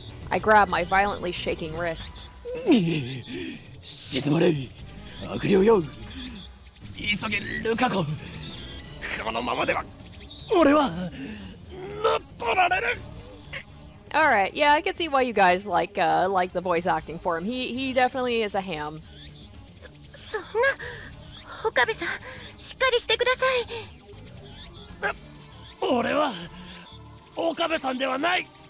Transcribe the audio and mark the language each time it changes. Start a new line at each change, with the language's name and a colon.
English: I grab my violently shaking wrist.
Japanese: 沈まれ、悪霊よ、急げルカ子、このままでは俺は乗っ取られる。
English: All right, yeah, I can see why you guys like the voice acting for him. He definitely is a ham.
Japanese: そんな、岡部さん、しっかりしてください。俺は岡部さんではない。